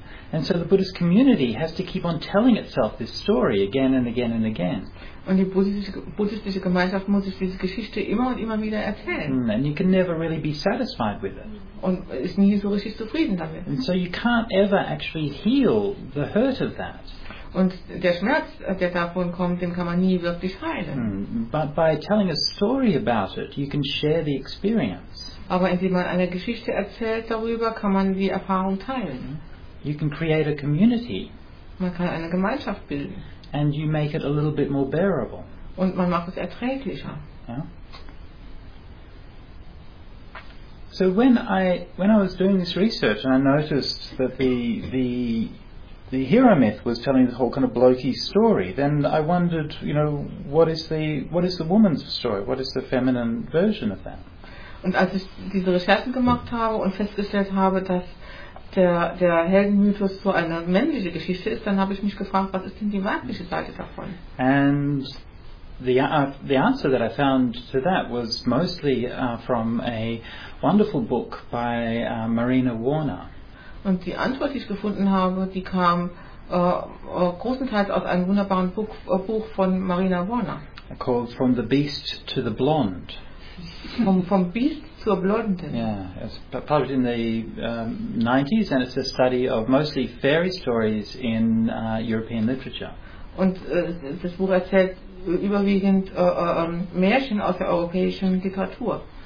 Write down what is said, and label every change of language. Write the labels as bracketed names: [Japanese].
[English] And so the Buddhist community has to keep on telling itself this story again and again and again. [German] Und die buddhistische Gemeinschaft muss sich diese Geschichte immer und immer wieder erzählen. [English] And you can never really be satisfied with it. [German] Und ist nie so richtig zufrieden damit. [English] And so you can't ever actually heal the hurt of that. [German] Und der Schmerz, der davon kommt, den kann man nie wirklich heilen. [English] But by telling a story about it, you can share the experience. [German] Aber indem man eine Geschichte erzählt darüber, kann man die Erfahrung teilen. [English] You can create a community. [German] Man kann eine Gemeinschaft bilden. [English] And you make it a little bit more bearable. [German] Und man macht es erträglicher. Yeah. [English] So when I was doing this research and I noticed that the hero myth was telling this whole kind of blokey story, then I wondered, you know, what is the woman's story? What is the feminine version of that? [German] Und als ich diese Recherchen gemacht habe und festgestellt habe, dass der Heldenmythos so eine männliche Geschichte ist, dann habe ich mich gefragt, was ist denn die weibliche Seite davon? [English] And the answer that I found to that was mostly from a wonderful book by Marina Warner. [German] Und die Antwort, die ich gefunden habe, die kam großenteils aus einem wunderbaren Buch von Marina Warner. [English] Called From the Beast to the Blonde. [German] Vom Beast zur Blonden. [English] Yeah, it's published in the 90s, and it's a study of mostly fairy stories in European literature. [German] Und das Buch erzählt überwiegend Märchen aus der europäischen Literatur.